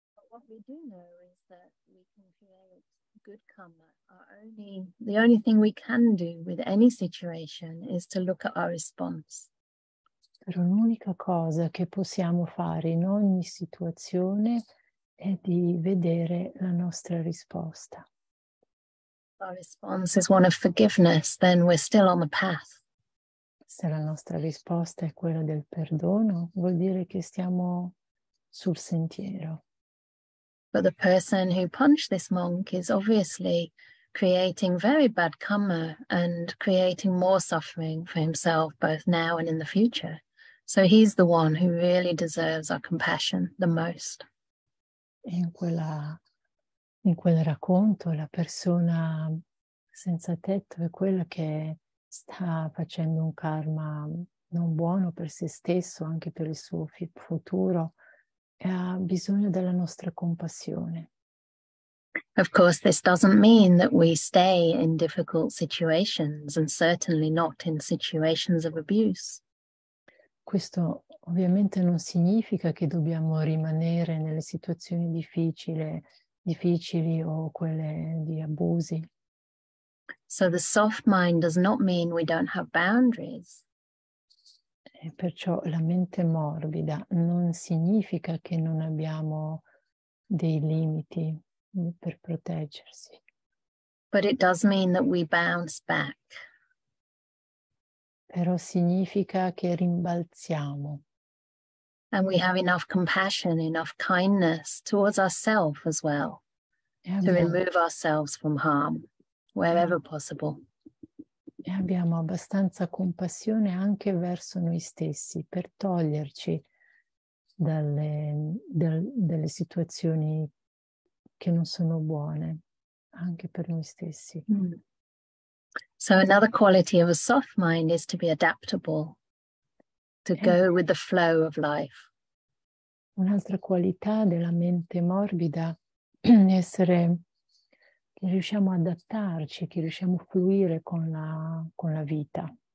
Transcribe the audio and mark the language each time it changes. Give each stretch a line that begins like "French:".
English: What we do know is that we can create good karma. The only thing we can do with any situation is to look at our response.
Italian: Però l'unica cosa che possiamo fare in ogni situazione è di vedere la nostra risposta.
English: Our response is one of forgiveness, then we're still on the path.
Italian: Se la nostra risposta è quella del perdono, vuol dire che stiamo sul sentiero.
English: But the person who punched this monk is obviously creating very bad karma and creating more suffering for himself, both now and in the future. So he's the one who really deserves our compassion the most.
Italian: In quel racconto, la persona senza tetto è quella che sta facendo un karma non buono per se stesso, anche per il suo futuro, e ha bisogno della nostra compassione.
English: Of course, this doesn't mean that we stay in difficult situations and certainly not in situations of abuse.
Italian: Questo ovviamente non significa che dobbiamo rimanere nelle situazioni difficili o quelle di abusi.
English: So the soft mind does not mean we don't have boundaries.
Italian: E perciò la mente morbida non significa che non abbiamo dei limiti per proteggersi.
English: But it does mean that we bounce back.
Italian: Però significa che rimbalziamo.
English: And we have enough compassion, enough kindness towards ourselves as well, to remove ourselves from harm wherever possible.
Italian: E abbiamo abbastanza compassione anche verso noi stessi per toglierci dalle situazioni che non sono buone, anche per noi stessi.
English: So another quality of a soft mind is to be adaptable, to go with the flow of life.
Italian: Un'altra qualità della mente morbida è essere che riusciamo ad adattarci, che riusciamo a fluire con la vita.